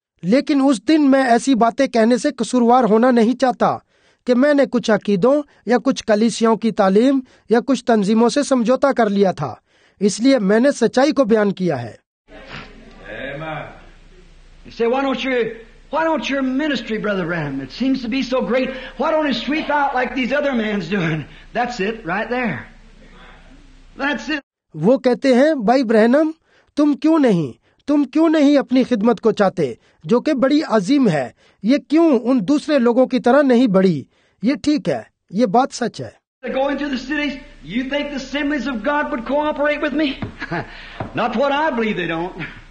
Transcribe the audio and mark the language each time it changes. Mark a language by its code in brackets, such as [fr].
[hi] लेकिन उस दिन मैं ऐसी बातें कहने से कसूरवार होना नहीं चाहता कि मैंने कुछ अकीदों या कुछ कलीसियों की तालीम या कुछ तंजीमों से समझौता कर लिया था, इसलिए मैंने सच्चाई को बयान किया है। [en] You say, why don't your ministry, Brother Branham? It seems to be so great. Why don't you sweep out like these other men's doing? That's it, right there. That's it. [hi] वो कहते हैं, भाई ब्रहनम, तुम क्यों नहीं अपनी खिदमत को चाहते, जो कि बड़ी अजीम है? ये क्यों उन दूसरे लोगों की तरह नहीं बड़ी? ये ठीक है, ये बात सच है। [en] They're going to the cities. You think the assemblies of God would cooperate with me? Not what I believe they don't.